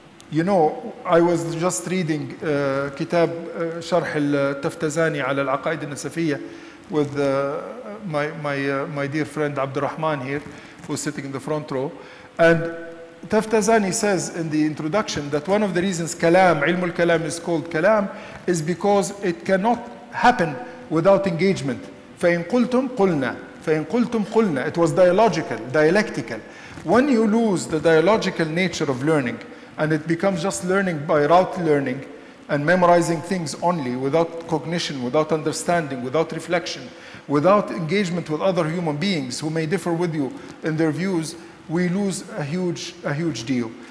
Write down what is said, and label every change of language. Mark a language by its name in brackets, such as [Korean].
[English] You know, I was just reading Kitab Sharh al-Taftazani ala al-Aqaid al-Nasafiyya with my dear friend Abdurrahman here, who's sitting in the front row. And Taftazani says in the introduction that one of the reasons kalam, ilm al-kalam is called kalam, is because it cannot happen without engagement. [Arabic] فَإِن قُلْتُمْ قُلْنَا فَإِن قُلْتُمْ قُلْنَا [English] It was dialogical, dialectical. When you lose the dialogical nature of learning, and it becomes just learning by rote learning and memorizing things only without cognition, without understanding, without reflection, without engagement with other human beings who may differ with you in their views, we lose a huge deal.